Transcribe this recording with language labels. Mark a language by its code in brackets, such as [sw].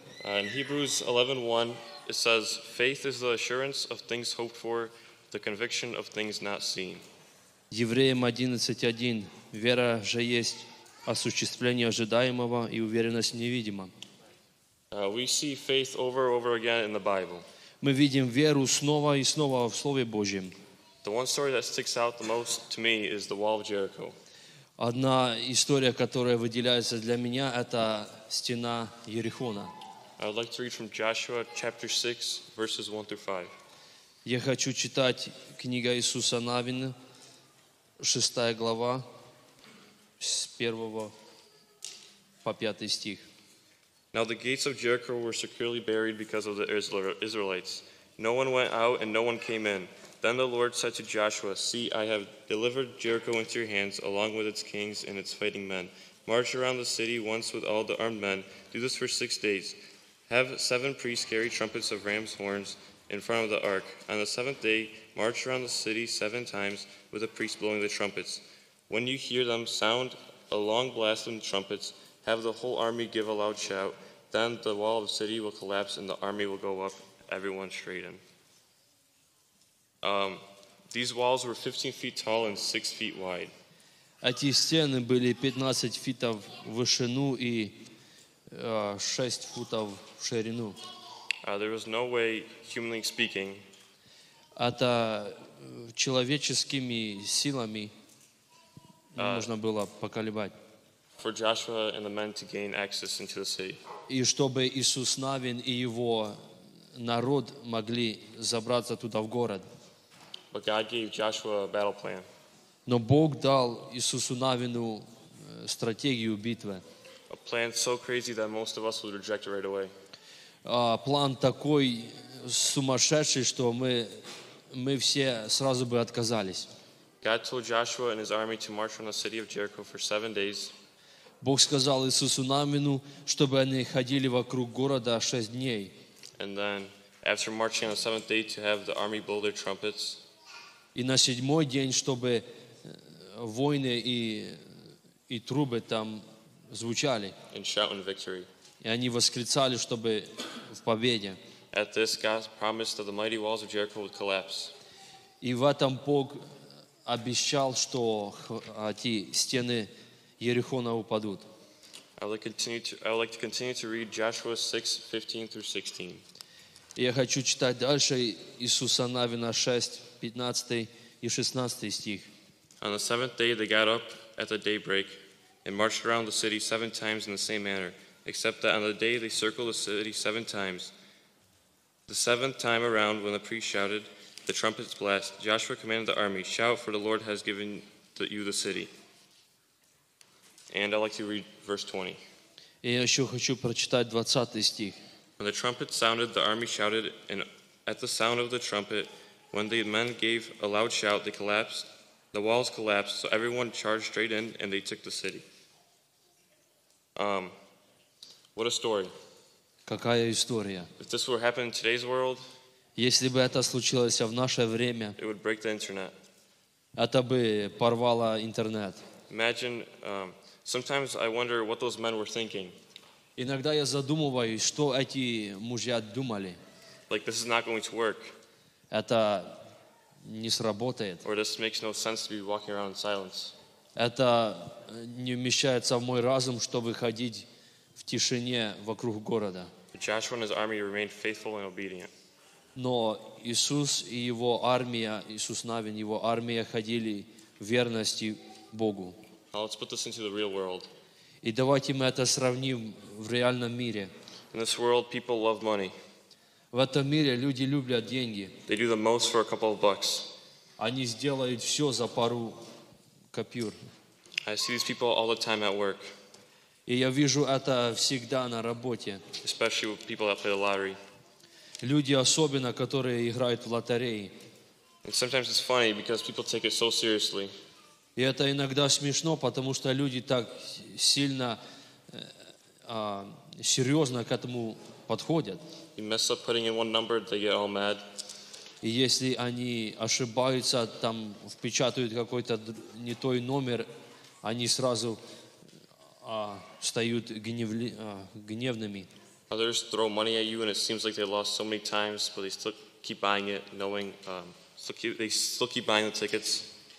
[en] In Hebrews 11:1 it says, "Faith is the assurance of things hoped for, the conviction of things not seen." [ru] Евреям 11:1 вера же есть осуществление ожидаемого и уверенность в невидимом. [en] We see faith over and over again in the Bible. [ru] Мы видим веру снова и снова в Слове Божьем. [en] The one story that sticks out the most to me is the wall of Jericho. [ru] Одна история, которая выделяется для меня, это стена Иерихона. [en] I would like to read from Joshua chapter 6, verses 1 through 5. [ru] Я хочу читать книга Иисуса Навина, 6 глава, с 1 по 5 стих. [en] Now the gates of Jericho were securely buried because of the Israelites. No one went out and no one came in. Then the Lord said to Joshua, "See, I have delivered Jericho into your hands, along with its kings and its fighting men. March around the city once with all the armed men. Do this for 6 days. Have 7 priests carry trumpets of ram's horns in front of the ark. On the 7th day, march around the city 7 times with a priest blowing the trumpets. When you hear them sound a long blast from the trumpets, have the whole army give a loud shout. Then the wall of the city will collapse and the army will go up, everyone straight in." These walls were 15 feet tall and 6 feet wide. [ru] Эти стены были 15 футов в ширину и 6 футов в ширину. [en] There was no way, humanly speaking, [ru] это человеческими силами можно было поколебать. [en] For Joshua and the men to gain access into the city. [ru] И чтобы Иисус Навин и его народ могли забраться туда в город. [en] But God gave Joshua a battle plan. [ru] Но Бог дал Иисусу Навину стратегию битвы. [en] A plan so crazy that most of us would reject it right away. [ru] План такой сумасшедший, что мы все сразу бы отказались. [en] God told Joshua and his army to march on the city of Jericho for 7 days. [ru] Бог сказал Иисусу Навину, чтобы они ходили вокруг города 6 дней. [en] And then, after marching on the 7th day, to have the army blow their trumpets. [ru] И на 7-й день, чтобы войны и трубы там звучали. [en] And shout in victory. [ru] И они восклицали, чтобы в победе. [en] At this, God promised that the mighty walls of Jericho would collapse. [ru] И в этом Бог обещал, что эти стены Иерихона упадут. [en] I would like to continue to read Joshua 6:15-16. [ru] Я хочу читать дальше Иисуса Навина 6:15-16. [en] On the 7th day they got up at the daybreak and marched around the city 7 times in the same manner, except that on the day they circled the city 7 times. The 7th time around, when the priest shouted, the trumpets blast, Joshua commanded the army, "Shout, for the Lord has given you the city." And I'd like to read verse 20. [ru] Я еще хочу прочитать 20-й стих. [en] When the trumpet sounded, the army shouted, and at the sound of the trumpet, when the men gave a loud shout, they collapsed. The walls collapsed, so everyone charged straight in, and they took the city. What a story! [ru] Какая история! [en] If this were happening in today's world, [ru] если бы это случилось в наше время, [en] it would break the internet. [ru] Это бы порвало интернет. [en] Imagine, sometimes I wonder what those men were thinking. [ru] Иногда я задумываюсь, что эти мужья думали. [en] Like, this is not going to work. [ru] Это не сработает. [en] Or this makes no sense to be walking around in silence. [ru] Это не вмещается в мой разум, чтобы ходить в тишине вокруг города. [en] But Joshua and his army remained faithful and obedient. [ru] Но Иисус и его армия, Иисус Навин, его армия ходили в верности Богу. [en] Now let's put this into the real world. [ru] И давайте мы это сравним в реальном мире. [en] In this world, people love money. [ru] В этом мире люди любят деньги. [en] They do the most for a couple of bucks. [ru] Они сделают все за пару копюр. [en] I see these people all the time at work. [ru] И я вижу это всегда на работе. [en] Especially with people that play the lottery. [ru] Люди особенно, которые играют в лотереи. [en] And sometimes it's funny because people take it so seriously. [ru] И это иногда смешно, потому что люди так сильно, серьезно к этому подходят. [en] You mess up putting in one number, they get all mad. [ru] И если они ошибаются, там впечатают какой-то не той номер, они сразу встают гневными. [en] Others throw money at you, and it seems like they lost so many times, but they still keep buying it, knowing they still keep buying the tickets.